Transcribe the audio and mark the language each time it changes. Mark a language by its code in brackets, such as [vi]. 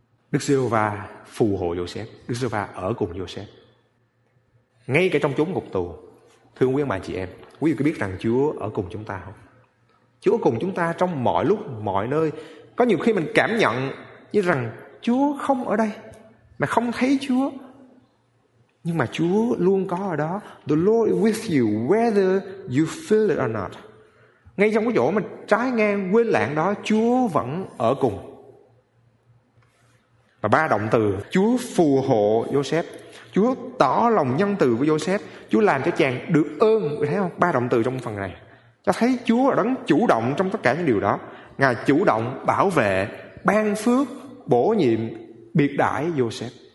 [vi] Đức Giê-hô-va phù hộ Joseph, Đức Giê-hô-va ở cùng Joseph, ngay cả trong chốn ngục tù. Thưa quý ông bà chị em, quý vị có biết rằng Chúa ở cùng chúng ta không? Chúa ở cùng chúng ta trong mọi lúc, mọi nơi. Có nhiều khi mình cảm nhận như rằng Chúa không ở đây, mà không thấy Chúa. Nhưng mà Chúa luôn có ở đó. [en] The Lord is with you whether you feel it or not. [vi] Ngay trong cái chỗ mà trái ngang, quên lãng đó, Chúa vẫn ở cùng. Và ba động từ: Chúa phù hộ Joseph, Chúa tỏ lòng nhân từ với Joseph, Chúa làm cho chàng được ơn. Mình thấy không? Ba động từ trong phần này. Ta thấy Chúa là đấng chủ động trong tất cả những điều đó. Ngài chủ động bảo vệ, ban phước, bổ nhiệm, biệt đãi Joseph.